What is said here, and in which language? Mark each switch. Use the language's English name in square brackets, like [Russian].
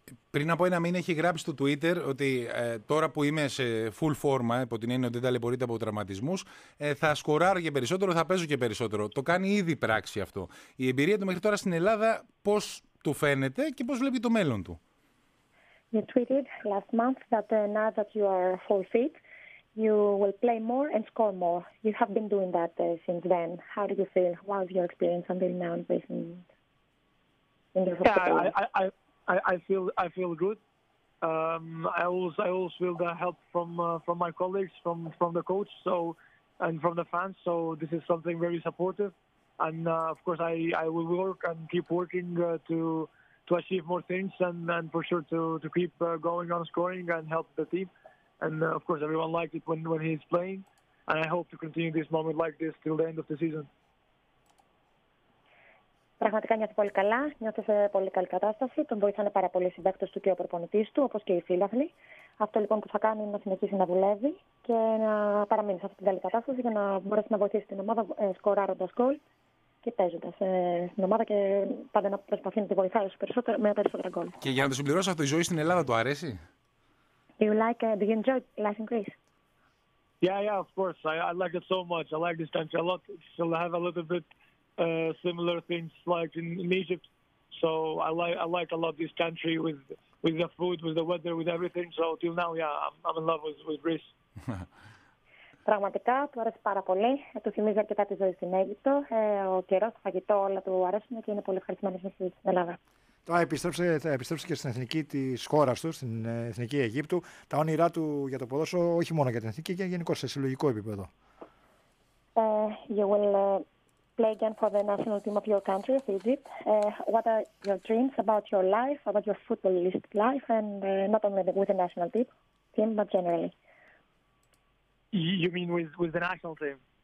[Greek] Πριν από ένα μήνα έχει γράψει στο Twitter ότι τώρα που είμαι σε full φόρμα, υπό την έννοια ότι δεν ταλαιπωρείται από τραυματισμούς, θα σκοράρω και περισσότερο, θα παίζω και περισσότερο. Το κάνει ήδη πράξη αυτό. Η εμπειρία του μέχρι τώρα στην Ελλάδα πώς του φαίνεται και πώς βλέπει το μέλλον του? [English] You tweeted last month that now that you are full fit, you will play more and score more. You have been doing that since then. How do you feel? What was your experience until now in the hospital? I feel good. I always feel the help from my colleagues, from the coach, so and from the fans. So this is something very supportive, and of course I will work and keep working to achieve more things and for sure to keep going on scoring and help the team. And of course everyone liked it when he's playing, and I hope to continue this moment like this till the end of the season. [Greek] Πραγματικά νιώθω πολύ καλά, νιώθω σε πολύ καλή κατάσταση. Τον βοήθανε πάρα πολύ οι συμπαίκτες του και ο προπονητής του, όπως και οι φίλαθλοι. Αυτό λοιπόν που θα κάνει είναι να συνεχίσει να δουλεύει και να παραμείνει σε αυτή την καλή κατάσταση για να μπορέσει να βοηθήσει την ομάδα σκοράροντας γκολ και παίζοντα στην ομάδα και πάντα να προσπαθεί να τη βοηθάει όσο περισσότερο με περισσότερα γκολ. Και για να το συμπληρώσω αυτό, η ζωή στην Ελλάδα του αρέσει? [English] Do you enjoy life in Greece? Yeah, of course. I like it so much. I like this country a lot. Still have a little bit similar things like in Egypt. So I like a lot this country with the food, with the weather, with everything. So till now, yeah, I'm in love with Greece. [Greek] Πραγματικά, του αρέσει πάρα πολύ. Του θυμίζει αρκετά τη ζωή στην Αίγυπτο. Ο καιρός, το φαγητό, όλα του αρέσουν και είναι πολύ ευχαριστημένος στην Ελλάδα. Τώρα επιστρέψει και στην εθνική της χώρας του, στην εθνική Αιγύπτου. Τα όνειρά του για το ποδόσφαιρο, όχι μόνο για την εθνική, και γενικώς σε συλλογικό επίπεδο. [English] You will play again for the national team of your country, of Egypt. What are your dreams about your life, about your footballist life, and not only with the national team, but generally? You mean with the national team?